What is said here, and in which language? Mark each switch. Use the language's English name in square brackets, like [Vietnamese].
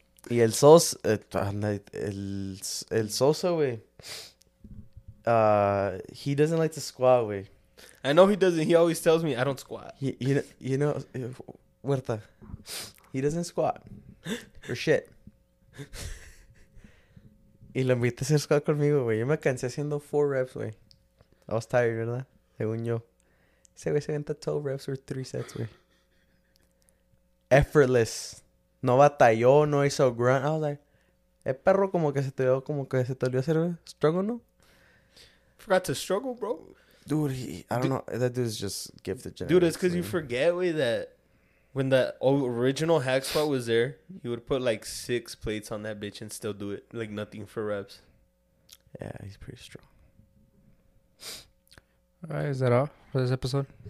[Spanish] Y el Sosa, el Sosa, güey, [English] he doesn't like to squat, [Spanish] güey. [English] I know he doesn't. He always tells me, I don't squat. You know, Huerta, he doesn't squat for shit. [Spanish] Y lo invité a hacer squat conmigo, güey. Yo me cansé haciendo 4 reps, güey. [English] I was tired, [Spanish] ¿verdad? Según yo. Ese güey se venta 12 reps or 3 sets, güey. [English] Effortless. [Spanish] No batalló, no hizo grunt. [English] I was like, [Spanish] el perro como que se te olvidó hacer struggle, ¿no? [English] Forgot to struggle, bro. Dude, I don't know. That dude's just gifted. Dude, it's because you forget, way that when the original hack squat was there, you would put like 6 plates on that bitch and still do it. Like nothing for reps. Yeah, he's pretty strong. All right, is that all for this episode?